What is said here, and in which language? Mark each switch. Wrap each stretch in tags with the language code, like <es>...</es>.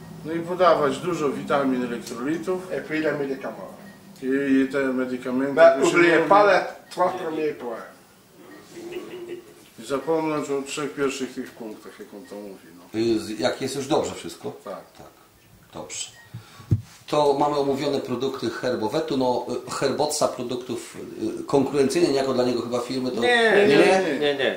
<pl>No i podawać dużo witamin, elektrolitów.</pl> <fr>Et puis les médicaments.</fr> <pl>I te medykamenty.</pl> <fr>Oubliez pas les trois premiers points.</fr> <pl>I zapomnąć o trzech pierwszych tych punktach, jak on to mówi. No. Jak jest już dobrze wszystko? Tak. Tak. Dobrze. To mamy omówione produkty Herbowetu. No, Herbotsa produktów konkurencyjnych, jako dla niego chyba firmy to. Nie.</pl>